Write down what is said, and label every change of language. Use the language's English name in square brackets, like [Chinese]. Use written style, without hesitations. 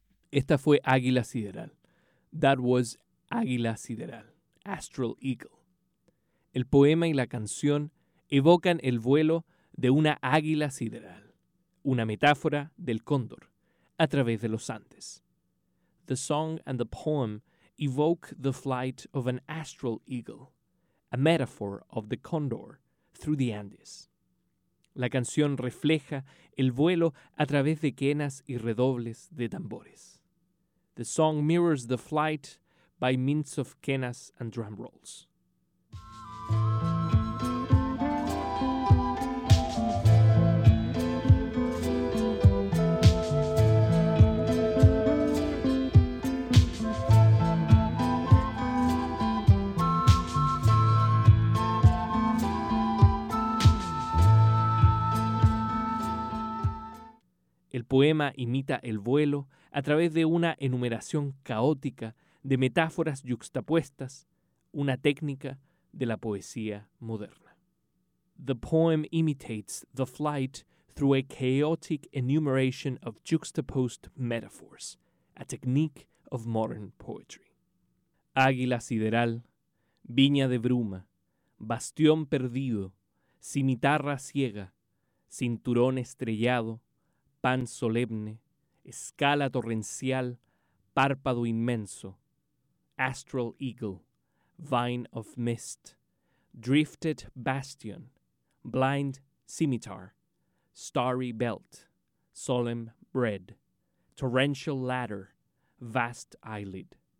[Spanish] Esta fue Águila Sideral. [English] That was Águila Sideral, Astral Eagle. [Spanish] El poema y la canción evocan el vuelo de una águila sideral, una metáfora del cóndor, a través de los Andes. [English] The song and the poem evoke the flight of an astral eagle, a metaphor of the condor, through the Andes. [Spanish] La canción refleja el vuelo a través de quenas y redobles de tambores. [English] The song mirrors the flight by means of quenas and drum rolls. [Spanish] El poema imita el vuelo a través de una enumeración caótica de metáforas yuxtapuestas, una técnica de la poesía moderna. [English] The poem imitates the flight through a chaotic enumeration of juxtaposed metaphors, a technique of modern poetry. [Spanish] Águila sideral, viña de bruma, bastión perdido, cimitarra ciega, cinturón estrellado, pan solemne, escala torrencial, párpado inmenso, [English] astral eagle, vine of mist, drifted bastion, blind scimitar, starry belt, solemn bread, torrential ladder, vast eyelid.